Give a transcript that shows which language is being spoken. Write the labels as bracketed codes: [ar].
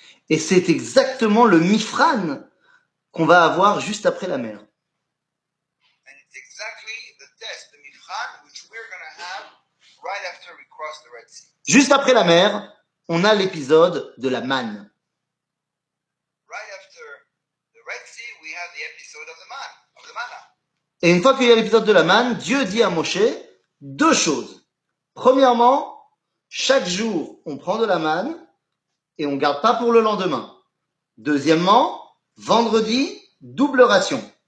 [fr] Et c'est exactement le Mifran qu'on va avoir juste après la mer. [en] And it's exactly the test, the Mifran, which we're gonna have right after we cross the Red Sea. [fr] Juste après la mer, on a l'épisode de la manne. [en] Right after the Red Sea, we have the episode of the man, of the manna. [fr] Et une fois qu'il y a l'épisode de la manne, Dieu dit à Moshe deux choses. Premièrement, chaque jour, on prend de la manne et on ne garde pas pour le lendemain. Deuxièmement, vendredi, double ration.